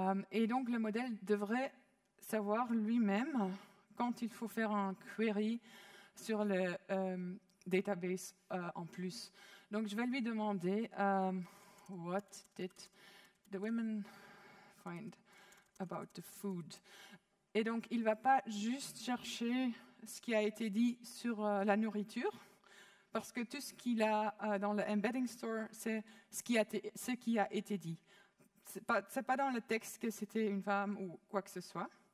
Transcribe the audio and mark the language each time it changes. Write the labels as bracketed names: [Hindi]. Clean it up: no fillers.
[French] Et donc, le modèle devrait savoir lui-même quand il faut faire un query sur le database en plus. Donc, je vais lui demander... [English] What did the women find about the food? [French] Et donc, il ne va pas juste chercher ce qui a été dit sur la nourriture, parce que tout ce qu'il a dans l'embedding store, c'est ce qui a été dit. Ce n'est pas dans le texte que c'était une femme ou quoi que ce soit.